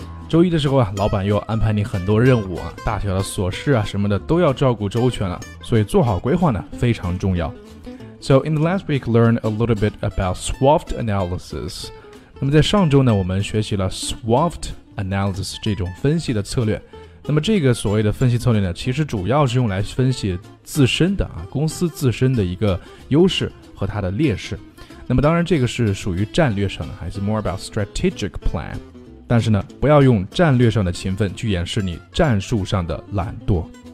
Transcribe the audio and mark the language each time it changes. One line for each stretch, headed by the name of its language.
Chinese: 周一的时候啊，老板又安排你很多任务啊，大小的琐事啊什么的都要照顾周全了，所以做好规划呢非常重要。
English: So in the last week, learn a little bit about SWOT analysis.
Chinese: 那么在上周呢，我们学习了 SWOT analysis 这种分析的策略。那么这个所谓的分析策略呢，其实主要是用来分析自身的啊，公司自身的一个优势和它的劣势。那么当然这个是属于战略上的，还是
English: more about strategic plan。
Chinese: 但是呢，不要用战略上的勤奋去掩饰你战术上的懒惰。